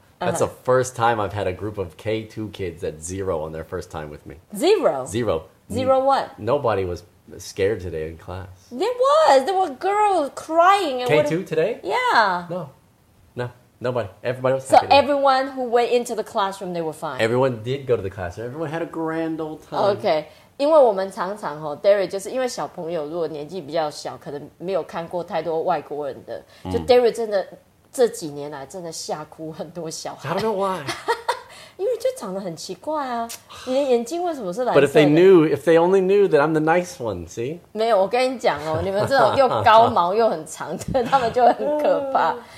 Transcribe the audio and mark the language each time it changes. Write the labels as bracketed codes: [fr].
[en] That's the first time I've had a group of K2 kids at zero on their first time with me. Zero? Zero. Zero what? Nobody was scared today in class. There was. There were girls crying. K2 today? Yeah. No. No. Nobody. Everybody was so happy. So everyone who went into the classroom, they were fine. Everyone did go to the classroom. Everyone had a grand old time. Okay. [zh] 因为我们常常哦 ，Derry 就是因为小朋友如果年纪比较小，可能没有看过太多外国人的，就 Derry 真的这几年来真的吓哭很多小孩。 [en] I don't know why， [zh] 因为就长得很奇怪啊，你的眼睛为什么是蓝色的 [en] ？But if they only knew that I'm the nice one， see？ [zh] 没有，我跟你讲哦，你们这种又高毛又很长的，他们就很可怕。